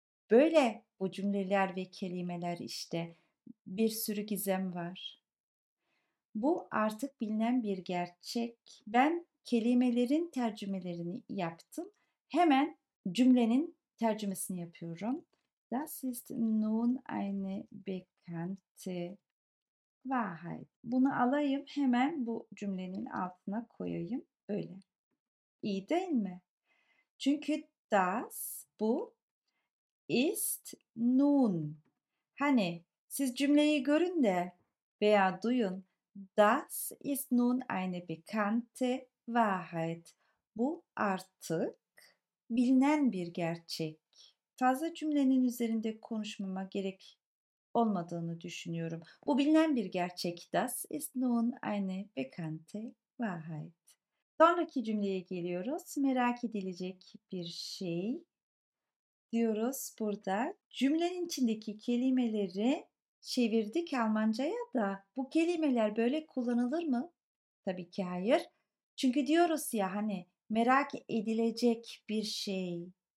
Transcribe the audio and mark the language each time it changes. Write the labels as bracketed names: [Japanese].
[Turkish] Böyle bu cümleler ve kelimeler işte bir sürü gizem var. Bu artık bilinen bir gerçek. Ben kelimelerin tercümelerini yaptım. Hemen cümlenin tercümesini yapıyorum. [German] Das ist nun eine bekannte Wahrheit. [Turkish] Bunu alayım, hemen bu cümlenin altına koyayım. Öyle. İyi değil mi? Çünkü [German] das, [Turkish] bu, [German] ist nun. [Turkish] Hani siz cümleyi görün de veya duyun. [German] Das ist nun eine bekannte Wahrheit. [Turkish] Bu artık bilinen bir gerçek. Fazla cümlenin üzerinde konuşmama gerek olmadığını düşünüyorum. Bu bilinen bir gerçek. [German] Das ist nun eine bekannte Wahrheit. [Turkish] Sonraki cümleye geliyoruz. Merak edilecek bir şey diyoruz burada. Cümlenin içindeki kelimeleri çevirdik Almanca'ya da bu kelimeler böyle kullanılır mı? Tabii ki hayır. Çünkü diyoruz ya hani merak edilecek bir şey.